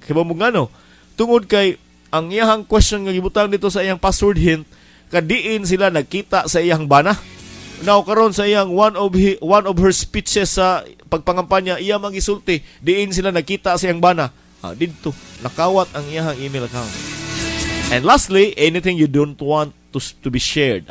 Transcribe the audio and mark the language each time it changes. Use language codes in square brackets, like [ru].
[ceb] Kaya mo nga no, tungod kay ang iyahang question nga gibutang dito sa iyang password hint, kadiin sila nagkita sa iyang bana. Now, karon sa iyang one of her speeches sa pagpangampanya, iya mag-isulti, diin sila nakita sa iyang bana. Dito, nakawat ang iyang email account. [en] And lastly, anything you don't want to be shared.